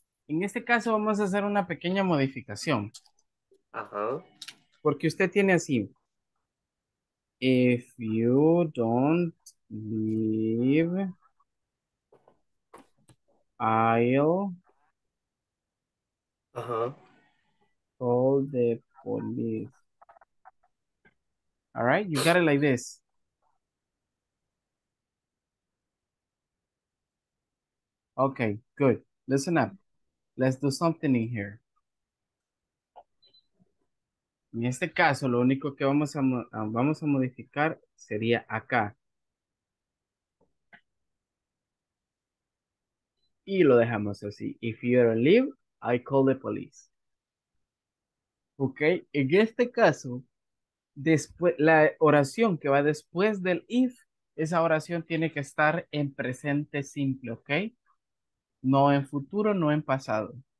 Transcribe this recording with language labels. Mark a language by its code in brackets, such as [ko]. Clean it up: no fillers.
[es] En este caso vamos a hacer una pequeña modificación. Ajá. Porque usted tiene así. [en] If you don't leave, I'll call the police. All right, you got it like this. Okay, good. Listen up. Let's do something in here. [es] En este caso, lo único que vamos a modificar sería acá. Y lo dejamos así. [en] If you don't leave, I call the police. [es] Okay, en este caso, después la oración que va después del if, esa oración tiene que estar en presente simple, okay? No en futuro, no en pasado.